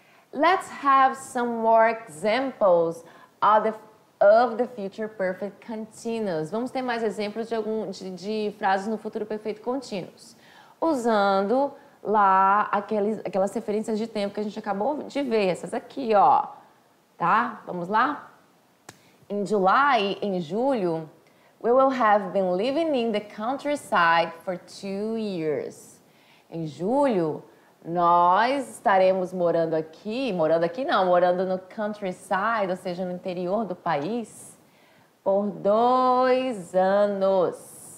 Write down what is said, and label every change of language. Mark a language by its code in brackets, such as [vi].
[en] Let's have some more examples of the future perfect continuous. [pt] Vamos ter mais exemplos de frases no futuro perfeito contínuos. Usando lá aquelas referências de tempo que a gente acabou de ver. Essas aqui, ó. Tá? Vamos lá? [en] In July, [pt] em julho, [en] we will have been living in the countryside for 2 years. [pt] Em julho, nós estaremos morando no [en] countryside, [pt] ou seja, no interior do país, por dois anos.